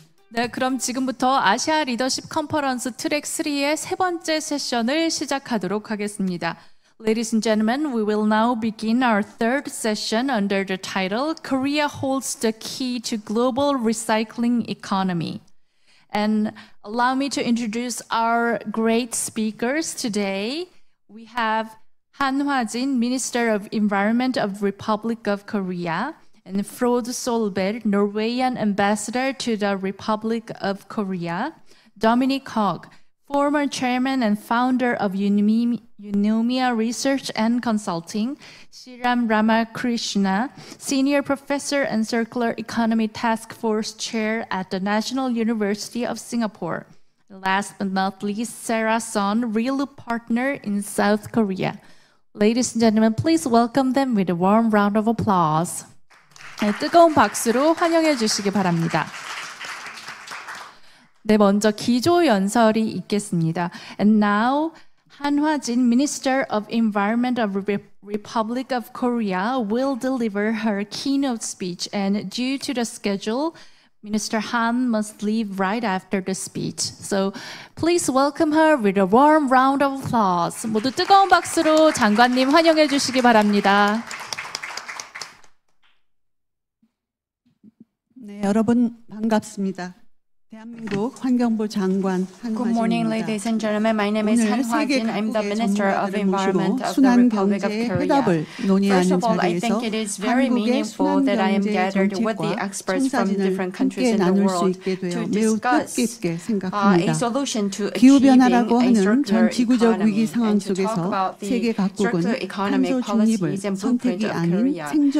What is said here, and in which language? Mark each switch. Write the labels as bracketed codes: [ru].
[ko] 네, 그럼 지금부터 아시아 리더십 컨퍼런스 트랙 3의 세 번째 세션을 시작하도록 하겠습니다. [en] Ladies and gentlemen, we will now begin our third session under the title Korea Holds the Key to Global Recycling Economy. And allow me to introduce our great speakers today. We have Han Hwa-jin, Minister of Environment of Republic of Korea, and Frode Solberg, Norwegian Ambassador to the Republic of Korea, Dominic Hogg, former chairman and founder of Unomia Research and Consulting, Sriram Ramakrishna, senior professor and circular economy task force chair at the National University of Singapore. Last but not least, Sarah Son, real partner in South Korea. Ladies and gentlemen, please welcome them with a warm round of applause. [ko] 뜨거운 박수로 환영해 주시기 바랍니다. 네, 먼저 기조 연설이 있겠습니다. [en] And now, Han Hwa-jin, Minister of Environment of Republic of Korea, will deliver her keynote speech. And due to the schedule, Minister Han must leave right after the speech. So please welcome her with a warm round of applause. [ko] 모두 뜨거운 박수로 장관님 환영해 주시기 바랍니다. 네, 여러분 반갑습니다. 대한민국 환경부 장관 한화진입니다. [en] Good morning, ladies and gentlemen. My name is Han Hwa-jin. I'm the Minister of Environment of the Republic of Korea. First of all, I think it is very meaningful that I am gathered with the experts from different countries in the world to discuss a solution to achieving a circular economy and to talk about the circular economic policies and blueprint of Korea.